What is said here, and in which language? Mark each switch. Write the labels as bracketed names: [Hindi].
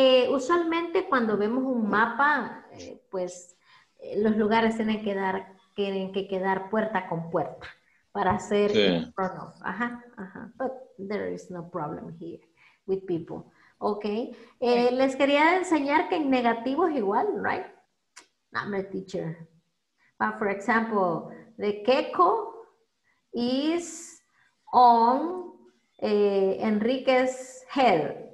[Spanish] Usualmente cuando vemos un mapa, pues los lugares tienen que quedar puerta con puerta para hacer, sí, [English] in front of. Ajá, ajá. But there is no problem here with people. Ok. [Spanish] Les quería enseñar que en negativo es igual, right? [English] I'm a teacher. But for example, the gecko is on Enrique's head.